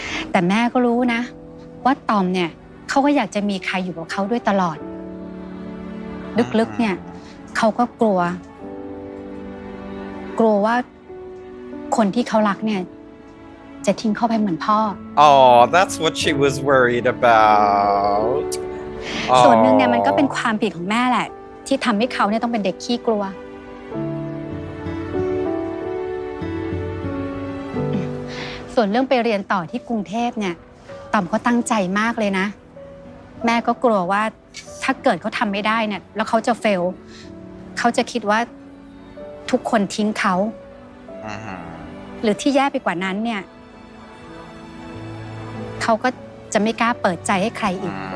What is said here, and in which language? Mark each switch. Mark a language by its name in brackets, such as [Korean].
[Thai] แต่แม่ก็รู้นะว่าตอมเนี่ยเขาก็อยากจะมีใครอยู่กับเขาด้วยตลอดลึกๆเนี่ยเขาก็กลัวว่าคนที่เขารักเนี่ยจะทิ้งเขาไปเหมือนพ่ ออ๋อ [English] that's what she was worried about [Thai] ส่วนหนึ่งเนี่ยมันก็เป็นความผิดของแม่แหละที่ทำให้เขาเนี่ยต้องเป็นเด็กขี้กลัวส่วนเรื่องไปเรียนต่อที่กรุงเทพเนี่ยต่อมเขาตั้งใจมากเลยนะแม่ก็กลัวว่าถ้าเกิดเขาทำไม่ได้เนี่ยแล้วเขาจะเฟลเขาจะคิดว่าทุกคนทิ้งเขาหรือที่แย่ไปกว่านั้นเนี่ยเขาก็จะไม่กล้าเปิดใจให้ใครอีก